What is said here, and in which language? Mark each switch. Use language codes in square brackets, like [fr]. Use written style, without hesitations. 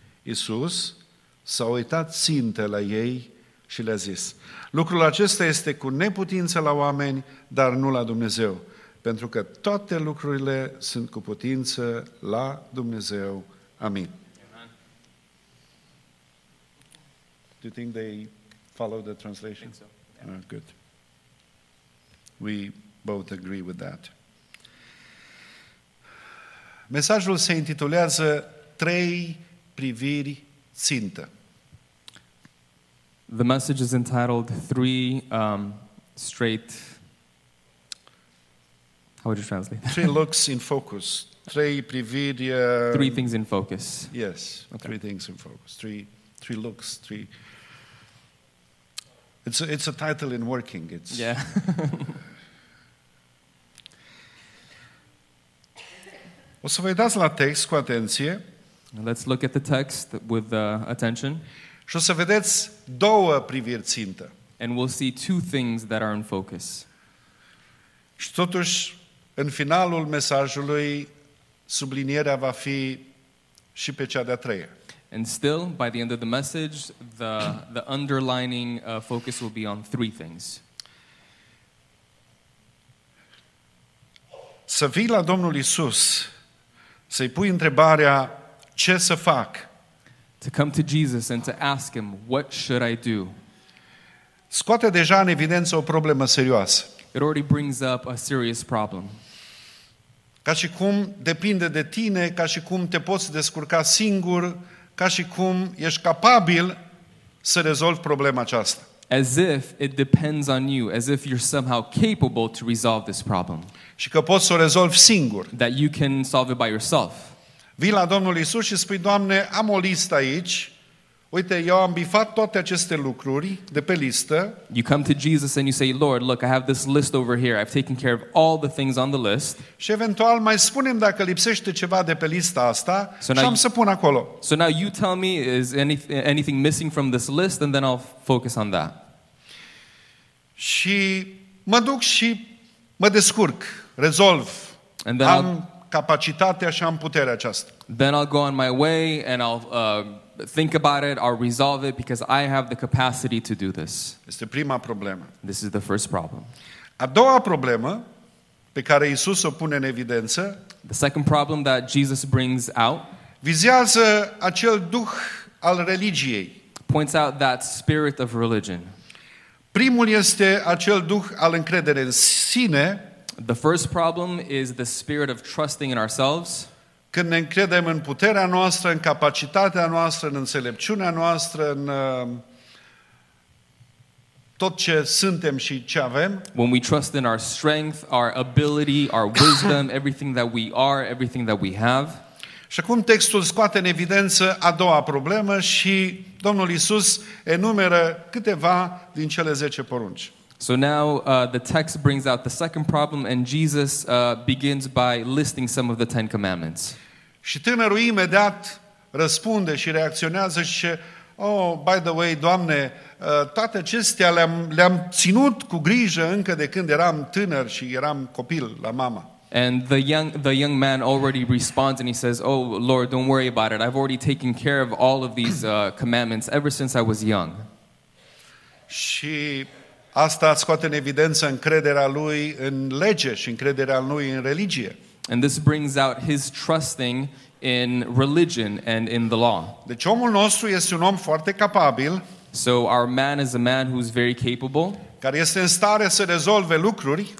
[ro] Iisus s-a uitat țintă la ei și le-a zis, lucrul acesta este cu neputință la oameni, dar nu la Dumnezeu, pentru că toate lucrurile sunt cu putință la Dumnezeu. Amin. [en] Do you think they follow the translation? Good. We both agree with that. [ro] Mesajul se intitulează Trei priviri țintă. [en] The message is entitled Three straight. How would you translate that? Three looks in focus. [ro] Trei priviri. [en] Three things in focus. Yes. Okay. Three things in focus. Three looks. Three. It's a title in working. It's yeah. [ro] O să vă uitați la text cu atenție. [en] Let's look at the text with attention. [ro] Și o să vedeți două priviri țintă. [en] And we'll see two things that are in focus. [ro] Și totuși, în finalul mesajului, sublinierea va fi și pe cea de-a treia. [en] And still, by the end of the message, the underlining focus will be on three things. [ro] Să vii la Domnul Iisus, să-i pui întrebarea, ce să fac? [en] To come to Jesus and to ask him, what should I do? [ro] Scoate deja în evidență o problemă serioasă. [en] It already brings up a serious problem. [ro] Ca și cum depinde de tine, ca și cum te poți descurca singur, ca și cum ești capabil să rezolvi problema aceasta. [en] As if it depends on you, as if you're somehow capable to resolve this problem. [ro] Și că poți să o rezolvi singur. [en] That you can solve it by yourself. [ro] Vii la Domnul Iisus și spui, Doamne, am o listă aici. Uite, eu am bifat toate aceste lucruri de pe listă. [en] You come to Jesus and you say, Lord, look, I have this list over here. I've taken care of all the things on the list. [ro] Și eventual mai spunem dacă lipsește ceva de pe lista asta și am să pun acolo. [en] So now you tell me, is anything missing from this list? And then I'll focus on that. [ro] Și mă duc și mă descurc, rezolv. [en] And then [ro] am capacitatea și am puterea aceasta. [en] Then I'll go on my way and I'll think about it, I'll resolve it because I have the capacity to do this. [ro] Este prima problemă. [en] This is the first problem. [ro] A doua problemă pe care Iisus o pune în evidență, [en] the second problem that Jesus brings out, [ro] vizează acel duh al religiei. [en] Points out that spirit of religion. [ro] Primul este acel duh al încrederii în sine. [en] The first problem is the spirit of trusting in ourselves. [ro] Când ne încredem în puterea noastră, în capacitatea noastră, în înțelepciunea noastră, în tot ce suntem și ce avem. [en] When we trust in our strength, our ability, our wisdom, everything that we are, everything that we have. [ro] Și acum textul scoate în evidență a doua problemă și Domnul Iisus enumeră câteva din cele 10 porunci. [en] So now the text brings out the second problem and Jesus begins by listing some of the Ten Commandments. [ro] Și tânărul imediat răspunde și reacționează și zice, [en] oh, by the way, [ro] Doamne, toate acestea le-am ținut cu grijă încă de când eram tânăr și eram copil la mama. [en] And the young man already responds and he says, oh, Lord, don't worry about it. I've already taken care of all of these commandments ever since I was young. [ro] Și asta scoate în evidență încrederea lui în lege și încrederea lui în religie. [en] And this brings out his trusting in religion and in the law. [ro] Deci omul nostru este un om foarte capabil. [en] So our man is a man who's very capable. [ro] Care este în stare să rezolve lucruri.